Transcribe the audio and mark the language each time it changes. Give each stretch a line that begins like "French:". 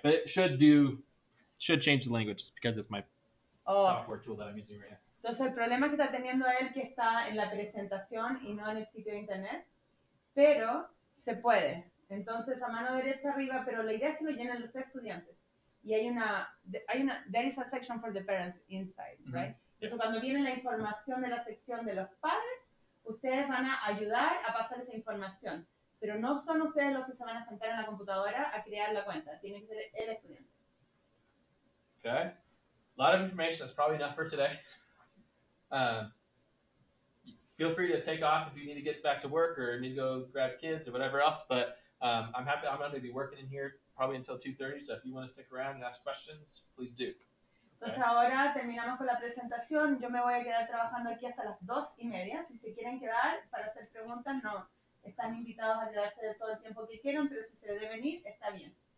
English: But it should change the language because it's my software tool that I'm using right now.
Spanish: Entonces, el problema que está teniendo él que está en la presentación y no en el sitio de internet. Pero se puede. Entonces, a mano derecha arriba, pero la idea es que lo llenen los estudiantes. Y hay una,
English: there is a section for the parents inside, mm-hmm. right? Yeah.
Spanish: Entonces, cuando viene la información de la sección de los padres, ustedes van a ayudar a pasar esa información. Pero no son ustedes los que se van a sentar en la computadora a crear la cuenta. Tiene que ser el estudiante.
English: Okay. A lot of information. That's probably enough for today. Feel free to take off if you need to get back to work or need to go grab kids or whatever else, but I'm going to be working in here probably until 2:30, so if you want to stick around and ask questions, please do.
Spanish: Entonces ahora terminamos con la presentación. Yo me voy a quedar trabajando aquí hasta las 2:30. Si se quieren quedar para hacer preguntas, no. Están invitados a quedarse todo el tiempo que quieran, pero si se deben ir, está bien.